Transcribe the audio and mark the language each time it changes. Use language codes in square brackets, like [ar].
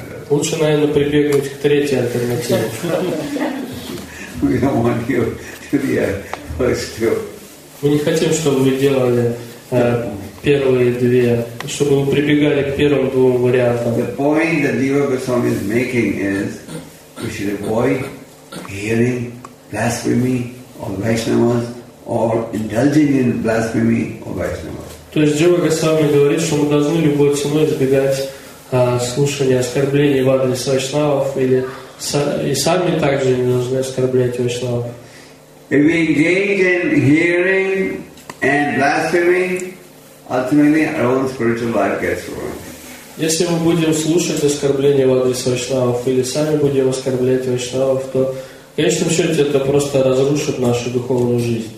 [ru] Лучше, наверное, прибегнуть к третьей альтернативе. Мы не хотим, чтобы вы делали первые две, чтобы вы прибегали к первым двум вариантам. [en] The point that Diva Goswami is making is we should avoid hearing blasphemy of Vaishnavas or indulging in blasphemy of Vaishnavas. [ru] То есть Джива Госвами говорит, что мы должны любой ценой избегать слушания оскорблений в адрес вайшнавов или и сами также не должны оскорблять вайшнавов. [en] If we engage in hearing and blaspheming, ultimately our own spiritual life gets ruined. [ru] Если мы будем слушать оскорбления в адрес вайшнавов или сами будем оскорблять вайшнавов, то в конечном счете это просто разрушит нашу духовную жизнь.